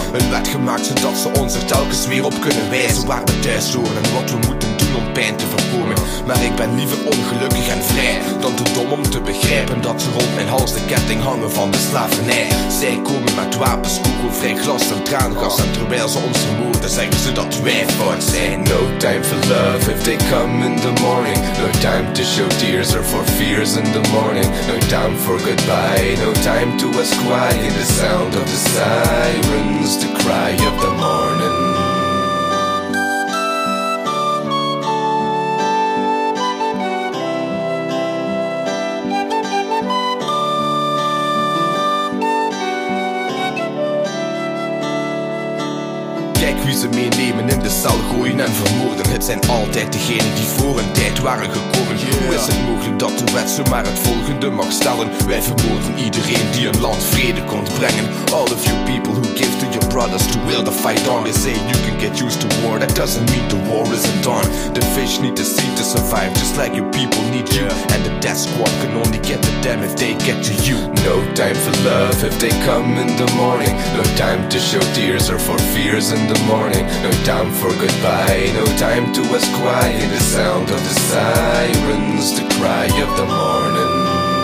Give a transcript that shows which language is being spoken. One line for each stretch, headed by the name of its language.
Dutch: Een wet gemaakt zodat ze ons er telkens weer op kunnen wijzen, waar we thuis horen en wat we moeten doen om pijn te voorkomen. Maar ik ben liever ongelukkig en vrij dan te dom om te begrijpen dat ze rond mijn hals de ketting hangen van de slavernij. Zij komen met wapens, kogelvrij glas en traangas, en terwijl ze ons vermoorden zeggen ze dat wij fout zijn.
English: No time for love if they come in the morning, no time to show tears or for fears in the morning. No time for goodbye, no time to us cry, in the sound of the sirens, the cry of the morning.
Dutch: Kijk wie ze meenemen in de cel, gooien en vermoorden. Het zijn altijd degenen die voor een tijd waren gekomen. Yeah. Hoe is het mogelijk dat de wet zomaar het volgende mag stellen? Wij vermoorden iedereen die een land vrede kon brengen.
English: All of you people who give to your brothers to will the fight on. They say you can get used to war, that doesn't mean the war isn't on. The fish need the sea to survive, just like your people need you. And the death squad can only get to them if they get to you. No time for love if they come in the morning, no time to show tears or for fears in the morning, no time for goodbye, no time to us cry, in the sound of the sirens, the cry of the morning.